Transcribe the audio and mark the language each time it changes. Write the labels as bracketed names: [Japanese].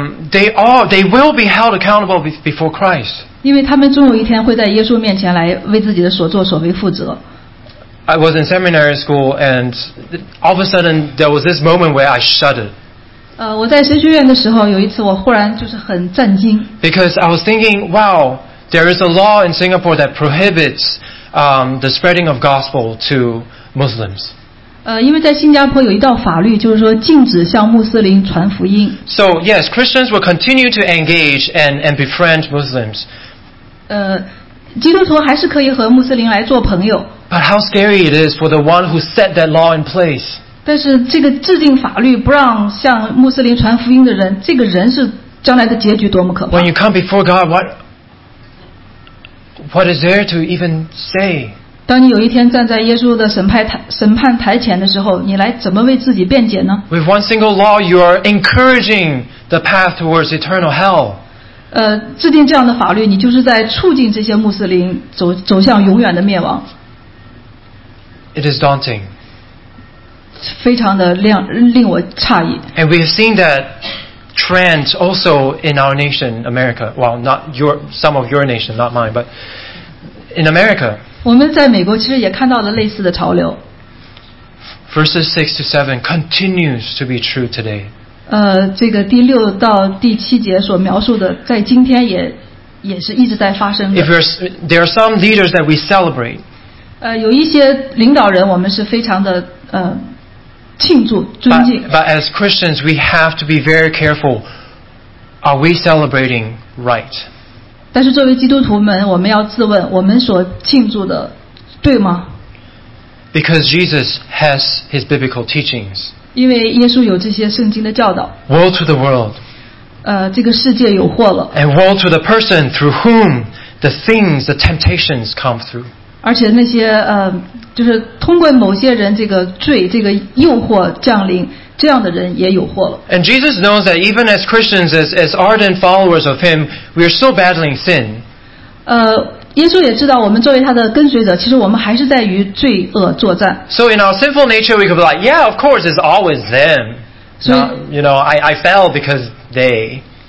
[English] They will be held accountable before Christ. [Chinese] 因为他们终有一天会在耶稣面前来为自己的所作所为负责。 [English] I was in seminary school and all of a sudden there was this moment where I shuddered. [Chinese] 我在神学院的时候有一次我忽然就是很震惊。 [English] Because I was thinking, wow, There is a law in Singapore that prohibits the spreading of gospel to Muslims. [Chinese] 因为在新加坡有一道法律，就是说禁止向穆斯林传福音。 [English] So yes, Christians will continue to engage and befriend Muslims. [Chinese] 基督徒还是可以和穆斯林来做朋友。 [English] But how scary it is for the one who set that law in place. [Chinese] 但是这个制定法律不让向穆斯林传福音的人，这个人是将来的结局多么可怕。 [English] When you come before God, what is there to even say? [Chinese] 当你有一天站在耶稣的审判台前的时候，你来怎么为自己辩解呢？ [English] With one single law, you are encouraging the path towards eternal hell. [Chinese] 制定这样的法律，你就是在促进这些穆斯林走向永远的灭亡。 [English] It is daunting. [Chinese] 非常的令我诧异。 [English] And we have seen that trend also in our nation, America. Well, not some of your nation, not mine, but in America. [Chinese] 我们在美国其实也看到了类似的潮流。 [English] Verses 6 to 7 continues to be true today. [Chinese] 这个第六到第七节所描述的在今天也是一直在发生的。 [English] There are some leaders that we celebrate. [Chinese] 有一些领导人我们是非常的庆祝尊敬。 [English] But as Christians, we have to be very careful. Are we celebrating right? [Chinese] 但是作为基督徒们，我们要自问，我们所庆祝的对吗？ [English] Because Jesus has his biblical teachings. [Chinese] 因为耶稣有这些圣经的教导。 [English] Woe to the world. [Chinese] 这个世界有祸了。 [English] And woe to the person through whom the things, the temptations come through. [Chinese] 而且那些就是通过某些人这个罪，这个诱惑降临，这样的人也有祸了。 [English] And Jesus knows that even as Christians, as ardent followers of Him, we are still battling sin. [Chinese] 耶稣也知道我们作为他的跟随者，其实我们还是在与罪恶作战。 [English] So in our sinful nature, we could be like, yeah, of course, it's always them. So, you know, I fell because they.